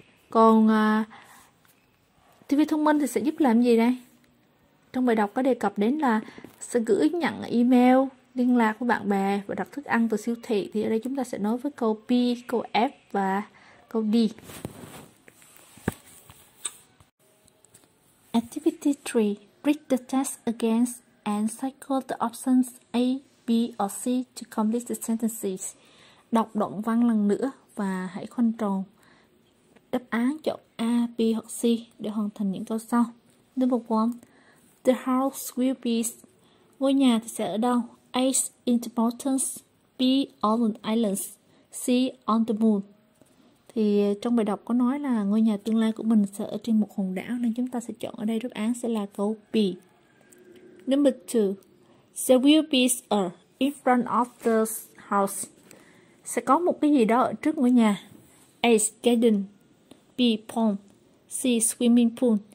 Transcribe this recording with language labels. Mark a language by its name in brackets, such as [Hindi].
[Vietnamese] Còn TV thông minh thì sẽ giúp làm gì đây? trong bài đọc có đề cập đến là sẽ gửi nhận email liên lạc với bạn bè và đặt thức ăn từ siêu thị, thì ở đây chúng ta sẽ nói với câu P, câu F và câu D. [English] Activity 3. Read the test again and cycle the options A, B or C to complete the sentences. [Vietnamese] Đọc đoạn văn lần nữa và hãy khoanh tròn đáp án chọn A, B hoặc C để hoàn thành những câu sau. [English] Number 1. The house will be. [Vietnamese] Ngôi nhà thì sẽ ở đâu? [English] A in the mountains, B on an island, C on the moon. [Vietnamese] Thì trong bài đọc có nói là ngôi nhà tương lai của mình sẽ ở trên một hòn đảo, nên chúng ta sẽ chọn ở đây đáp án sẽ là câu B. [English] Number 2. There will be a in front of the house. [Vietnamese] Sẽ có một cái gì đó ở trước ngôi nhà. [English] A garden, B pond, C swimming pool.